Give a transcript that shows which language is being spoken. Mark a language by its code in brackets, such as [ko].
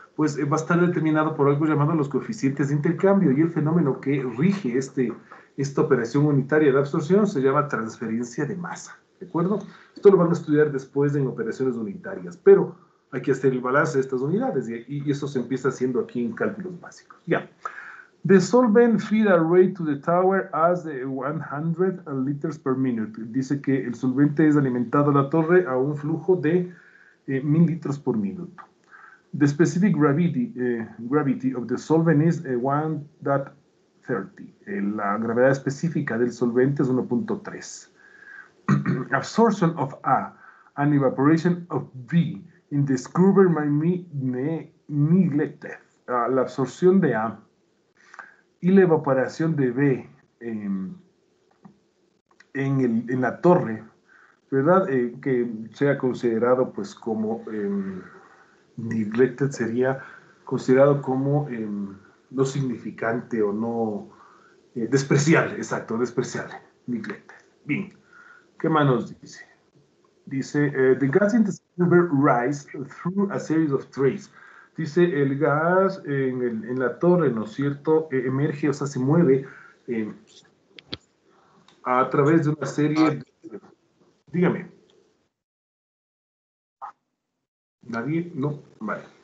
[es] Pues va a estar determinado por algo llamado los coeficientes de intercambio, y el fenómeno que rige esta operación unitaria de absorción se llama transferencia de masa. ¿De acuerdo? Esto lo van a estudiar después en operaciones unitarias, pero hay que hacer el balance de estas unidades, y eso se empieza haciendo aquí en cálculos básicos. Ya. [en] The solvent feed array to the tower as 100 liters per minute. [es] Dice que el solvente es alimentado a la torre a un flujo de 1000 litros por minuto. [en] The specific gravity of the solvent is 1.30. [es] La gravedad específica del solvente es 1.3. [en] Absorption of A and evaporation of B in the scrubber may be neglected. [es] La absorción de A y la evaporación de B en la torre, ¿verdad? Que sea considerado pues como neglected sería considerado como no significante o no despreciable, exacto, despreciable, neglected. Bien, ¿qué más nos dice? Dice, [en] the gas in the scrubber rise through a series of trays, [es] Dice, el gas en la torre, ¿no es cierto? Emerge, o sea, se mueve a través de una serie de... Dígame. ¿Nadie? No, vale.